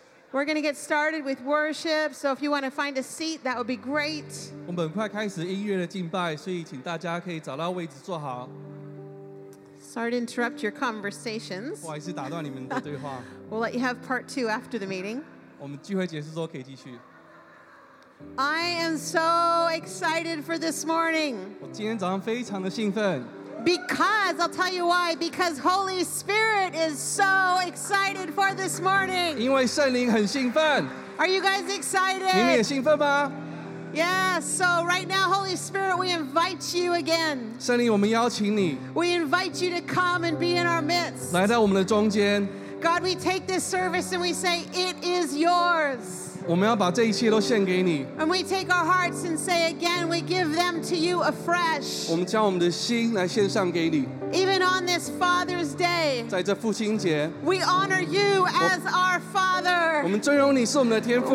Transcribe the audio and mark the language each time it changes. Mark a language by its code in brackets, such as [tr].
[en] We're going to get started with worship, so if you want to find a seat, that would be great. [zh] 我们很快开始音乐的敬拜，所以请大家可以找到位置坐好。 [en] Sorry to interrupt your conversations. [zh] 不好意思打断你们的对话。 [en] We'll let you have part two after the meeting. [zh] 我们聚会结束之后可以继续。 [en] I am so excited for this morning. [zh] 我今天早上非常的兴奋。 [en] Because, I'll tell you why, because Holy Spirit is so excited for this morning. [zh] 因为圣灵很兴奋。 [en] Are you guys excited? [zh] 你们也兴奋吗? [en] Yeah, so right now, Holy Spirit, we invite you again. [zh] 圣灵我们邀请你。 [en] We invite you to come and be in our midst. [zh] 来到我们的中间。 [en] God, we take this service and we say, it is yours. [zh] 我们要把这一切都献给你。 [en] And we take our hearts and say again, we give them to you afresh. [zh] 我们将我们的心来献上给你。 [en] Even on this Father's Day, [zh] 在这父亲节, [en] we honor you as our Father. [zh] 我们尊荣你是我们的天父。